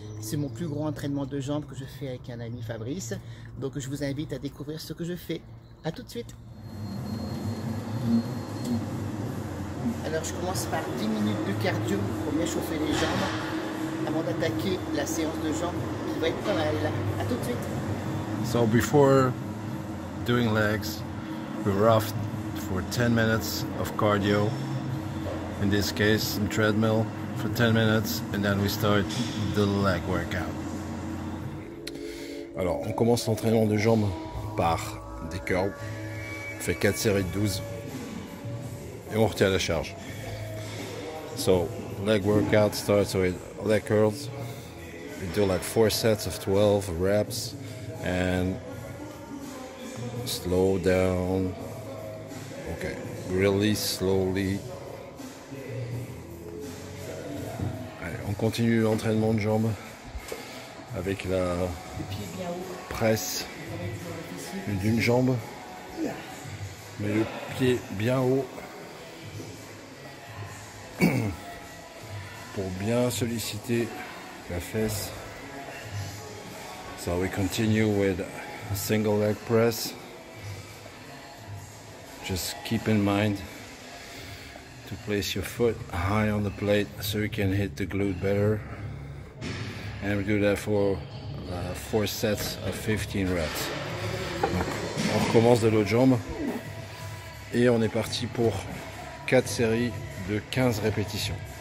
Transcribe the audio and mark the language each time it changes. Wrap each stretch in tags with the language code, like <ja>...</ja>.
<fr>C'est mon plus grand entraînement de jambes que je fais avec un ami Fabrice. Donc je vous invite à découvrir ce que je fais. À tout de suite. Alors je commence par 10 minutes de cardio pour bien chauffer les jambes avant d'attaquer la séance de jambes qui va être pas mal. À tout de suite.</fr> <en>So before doing legs, we're off for 10 minutes of cardio. In this case, in treadmill for 10 minutes, and then we start the leg workout.</en> <fr>Alors, on commence l'entraînement de jambes par des curls. On fait 4 séries de 12. Et on retient la charge.</fr> <en>So, leg workout starts with leg curls. We do like 4 sets of 12 reps. And slow down. Okay, really slowly.</en> <fr>On continue l'entraînement de jambes avec la presse d'une jambe, mais le pied bien haut pour bien solliciter la fesse.</fr> <en>So we continue with a single leg press. Just keep in mind to place your foot high on the plate so you can hit the glute better. And we do that for 4 sets of 15 reps.</en> <fr>Donc, on recommence de l'autre jambe et on est parti pour 4 séries de 15 répétitions.</fr>